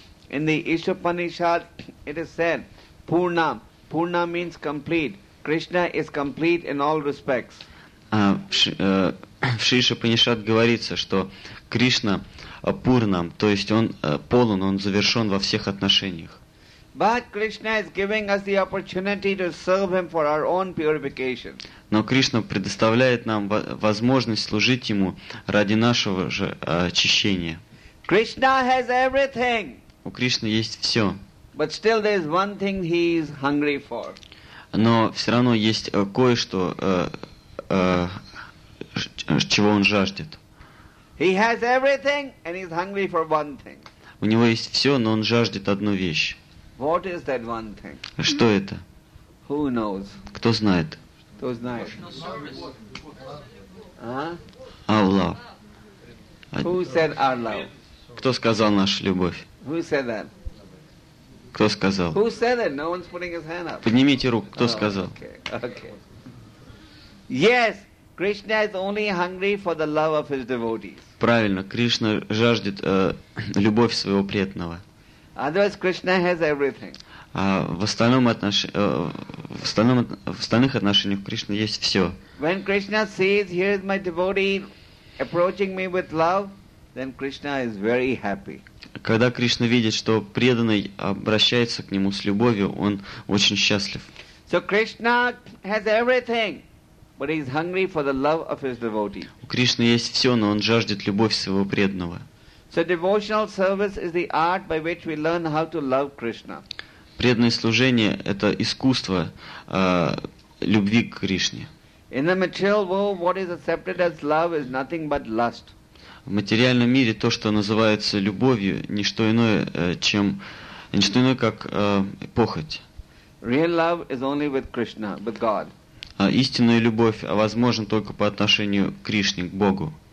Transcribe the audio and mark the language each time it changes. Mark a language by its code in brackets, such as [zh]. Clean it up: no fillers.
[en] In the Ishopanishad, it is said, Purnam. Purnam means complete. Krishna is complete in all respects. [ru] В Шишопанишад говорится, что Кришна Пурнам, то есть он полон, он завершен во всех отношениях. [en] But Krishna is giving us the opportunity to serve Him for our own purification. [ru] Но Кришна предоставляет нам возможность служить Ему ради нашего же очищения. [en] Krishna has everything. [ru] У Кришны есть все. [en] But still there is one thing He is hungry for. [ru] Но все равно есть кое-что, чего Он жаждет. [en] He has everything and He is hungry for one thing. [ru] У Него есть все, но Он жаждет одну вещь. [en] What is that one thing? [ru] Что это? [en] Who knows? [ru] Кто знает? Кто знает? [en] Our love. Who said our love? [ru] Кто сказал нашу любовь? [en] Who said that? [ru] Кто сказал? [en] Who said it? No one's putting his hand up. [ru] Поднимите руку. Кто сказал? [en] Okay. Yes, Krishna is only hungry for the love of his devotees. [ru] Правильно, Кришна жаждет любовь своего преданного. [en] Otherwise, Krishna has everything. [ru] В остальных отношениях Кришна есть все. [en] When Krishna sees here is my devotee approaching me with love, then Krishna is very happy. [ru] Когда Кришна видит, что преданный обращается к нему с любовью, он очень счастлив. [en] So Krishna has everything, but he is hungry for the love of his devotee. [ru] У Кришны есть все, но он жаждет любовь своего преданного. [en] So devotional service is the art by which we learn how to love Krishna. [ru] Преданное служение – это искусство любви к Кришне. [en] In the material world, what is accepted as love is nothing but lust. [ru] В материальном мире то, что называется любовью, ничто иное, как похоть. [en] Real love is only with Krishna, with God. [ru] Истинная любовь возможна только по отношению к Кришне, к Богу.